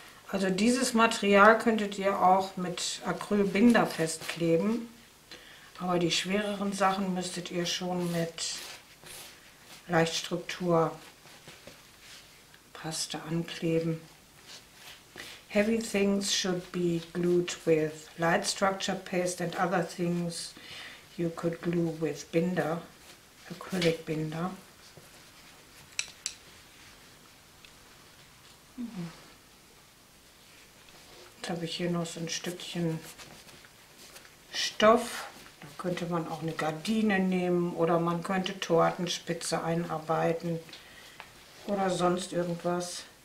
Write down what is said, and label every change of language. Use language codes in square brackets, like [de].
[de] Also dieses Material könntet ihr auch mit Acrylbinder festkleben, aber die schwereren Sachen müsstet ihr schon mit Leichtstrukturpaste ankleben. [en] Heavy things should be glued with light structure paste and other things you could glue with binder, acrylic binder. [de] Jetzt habe ich hier noch so ein Stückchen Stoff. Da könnte man auch eine Gardine nehmen oder man könnte Tortenspitze einarbeiten oder sonst irgendwas.